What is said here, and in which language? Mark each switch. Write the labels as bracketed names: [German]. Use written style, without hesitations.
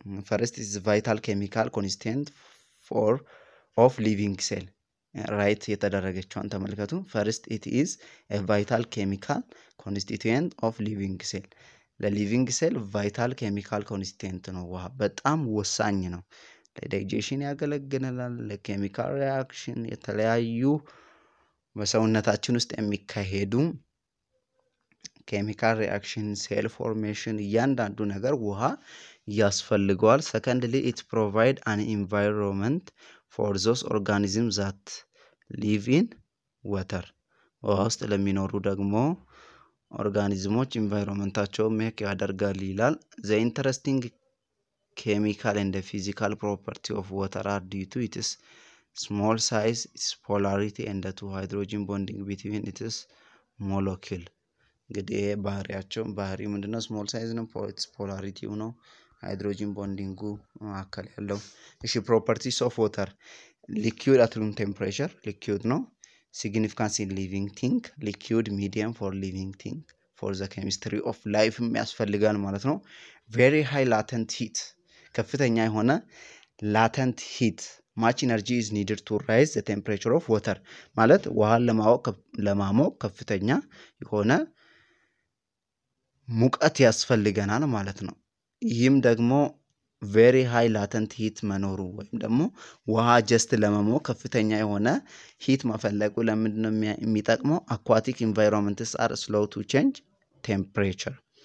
[English] first is vital chemical constituent for of living cell right [Amharic] የተደረገችውን ተመልከቱ [English] first it is a vital chemical constituent of living cell the living cell vital chemical constituent [Amharic] ነው ዋ በጣም ወሳኝ ነው ለዳይጀሽን ያገለግላል ለኬሚካል ሪአክሽን የተለያዩ በሰውነታችን ውስጥ የሚካሄዱ chemical reaction cell formation እያንዳንዱ ነገር ውሃ ያስፈልጋል. [English] Secondly, it provide an environment for those organisms that live in water. [Amharic] ውሃ ውስጥ ለሚኖሩ ደግሞ organismsዎች environmentቸው make ያደርጋል ይላል. [English] The interesting chemical and the physical property of water are due to its small size, its polarity and the two hydrogen bonding between its molecule. [Amharic] እንግዲህ ባህሪያቸው ባህሪ ምንድነው? Small size ነው, its polarity ነው, hydrogen bonding ጉ አከለ ያለው. [English] እሺ, properties of water. Liquid at room temperature, liquid ነው. Significance in living thing, liquid medium for living thing, for the chemistry of life [Amharic] የሚያስፈልጋል ማለት ነው. [English] Very high latent heat, [Amharic] ከፍተኛ የሆነ [English] latent heat. Much energy is needed to raise the temperature of water. [Amharic] ማለት ውሃን ለማሞቅ ከፍተኛ የሆነ ሙቀት ያስፈልገናል ማለት ነው. ይህም ደግሞ [English] very high latent heat [Amharic] መኖሩ ወይም ደግሞ ውሃ just ለማሞቅ ከፍተኛ የሆነ heat መፈለጉ ለምንድነው የሚጠቅመው? [English] Aquatic environments are slow to change temperature.